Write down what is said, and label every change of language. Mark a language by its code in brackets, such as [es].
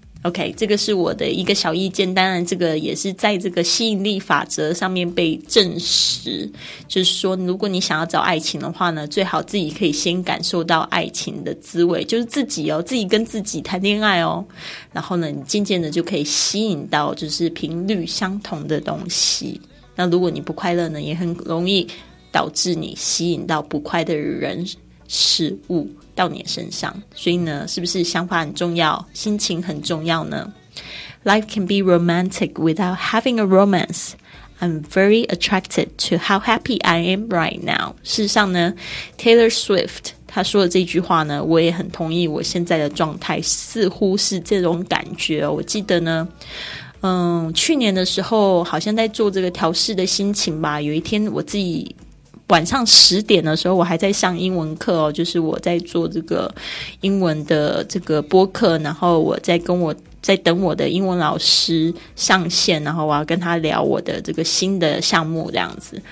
[zh] OK， 这个是我的一个小意见，当然这个也是在这个吸引力法则上面被证实，就是说如果你想要找爱情的话呢，最好自己可以先感受到爱情的滋味，就是自己哦，自己跟自己谈恋爱哦，然后呢你渐渐的就可以吸引到就是频率相同的东西。那如果你不快乐呢，也很容易导致你吸引到不快的人事物到你的身上，所以呢是不是想法很重要，心情很重要呢？ [en] Life can be romantic without having a romance. I'm very attracted to how happy I am right now. [zh] 事实上呢 Taylor Swift 他说的这句话呢，我也很同意，我现在的状态似乎是这种感觉哦。我记得呢去年的时候好像在做这个调适的心情吧，有一天我自己晚上十点的时候，我还在上英文课哦，就是我在做这个英文的这个播客，然后我在跟我在等我的英文老师上线，然后我要跟他聊我的这个新的项目这样子。